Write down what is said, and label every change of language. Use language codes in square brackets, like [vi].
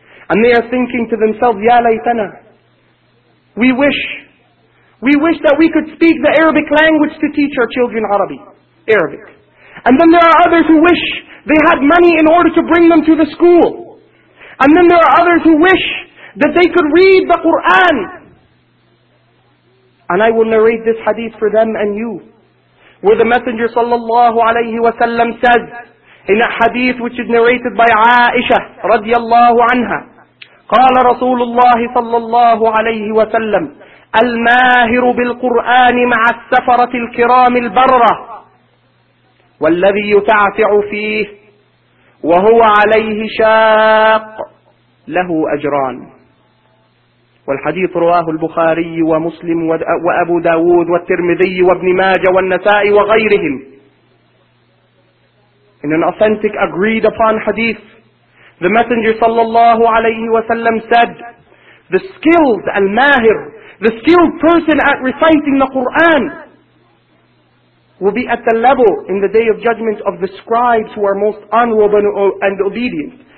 [en] And they are thinking to themselves, [ar] Ya Laytana, [en] we wish that we could speak the Arabic language to teach our children Arabic. And then there are others who wish they had money in order to bring them to the school. And then there are others who wish that they could read the Qur'an. And I will narrate this hadith for them and you. Where the Messenger sallallahu alayhi wa sallam says, in a hadith which is narrated by Aisha radiallahu anha, [ar] قال رسول الله صلى الله عليه وسلم الماهر بالقرآن مع السفرة الكرام البررة والذي يتعفع فيه وهو عليه شاق له أجران. والحديث رواه البخاري ومسلم وأبو داود والترمذي وابن ماجه والنسائي وغيرهم. [en] In an authentic agreed upon hadith, the Messenger sallallahu alayhi wa sallam said, the skilled al-mahir, the skilled person at reciting the Qur'an, will be at the level in the Day of Judgment of the scribes who are most honorable and obedient.